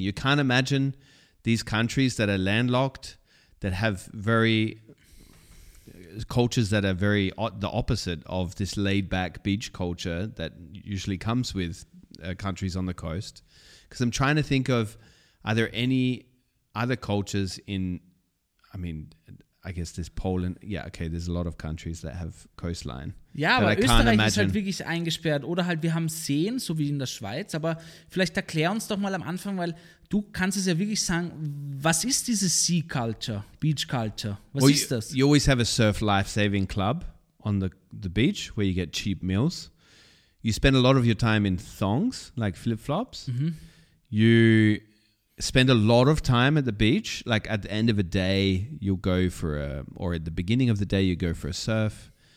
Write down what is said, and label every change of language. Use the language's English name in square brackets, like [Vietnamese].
[English] You can't imagine these countries that are landlocked, that have very cultures that are very the opposite of this laid-back beach culture that usually comes with countries on the coast. Because I'm trying to think of, are there any other cultures in, I mean, I guess there's Poland. Yeah, okay, there's a lot of countries that have coastline. [German] Ja, aber Österreich ist halt wirklich eingesperrt. Oder halt, wir haben Seen, so wie in der Schweiz. Aber vielleicht erklär uns doch mal am Anfang, weil du kannst es ja wirklich sagen, was ist diese Sea Culture, Beach Culture? Was [English] well, [German] ist das? [English] You always have a surf life-saving club on the beach where you get cheap meals. You spend a lot of your time in thongs, like flip-flops. Mm-hmm. You spend a lot of time at the beach. Like at the end of a day, you'll go for a, or at the beginning of the day, you go for a surf.